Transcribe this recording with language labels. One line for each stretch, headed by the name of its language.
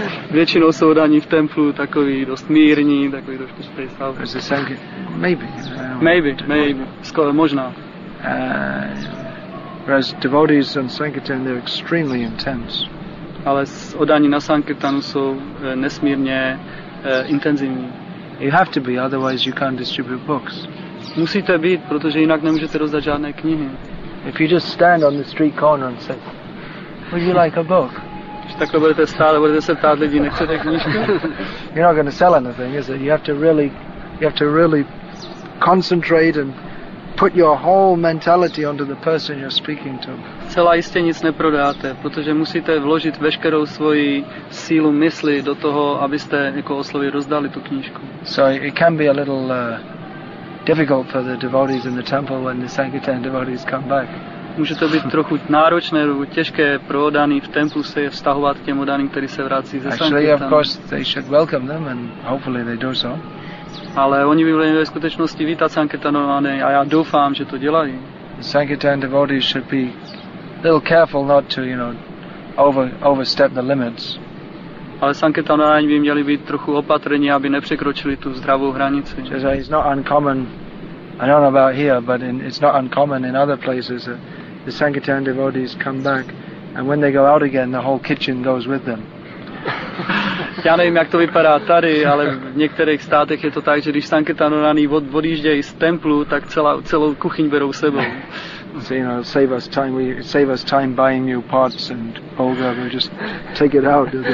Czech: Většinou jsou daní v templu takový dost mírní, takový trošku
English: space out. Maybe. Maybe.
Czech: Skoro možná.
English: Whereas devotees on Sankirtan, they're extremely intense.
Czech: Ale oddaní na Sankirtanu jsou nesmírně intenzivní.
English: You have to be, otherwise you can't distribute books.
Czech: Musíte být, protože jinak nemůžete rozdat žádné knihy.
English: If you just stand on the street corner and say, would you like a book?
Czech: Když takhle budete stát, budete se ptát lidí, nechcete knížku?
English: You're not going to sell anything, is it? You have to really concentrate and put your whole mentality onto the person you're speaking to.
Czech: Celá jistě nic neprodáte, protože musíte vložit veškerou svoji sílu mysli do toho, abyste jako oslovi rozdali tu knížku.
English: So it can be a little difficult for the devotees in the temple when the Sankirtan devotees come back.
Czech: Může to být trochu náročné, těžké pro oddaný v templu se vztahovat k těm oddaným, který se vrací ze Sankirtanu.
English: Actually, of course, they should welcome them and hopefully they do so.
Czech: Ale oni by měli ve skutečnosti vítat Sankirtanovány a já doufám, že to dělají.
English: The Sankirtan devotees should be a little careful not to, you know, overstep the limits.
Czech: Ale Sankirtanovány by měli být trochu opatrní, aby nepřekročili tu zdravou hranici.
English: It's not uncommon, I don't know about here, but it's not uncommon in other places that the Sankirtan devotees come back and when they go out again, the whole kitchen goes with them.
Czech: Já nevím, jak to vypadá tady, ale v některých státech je to tak, že když Sankirtanovány odjíždějí z templu, tak celou kuchyň berou sebou.
English: So, you know, save us time buying new pots and olga, we'll just take it out.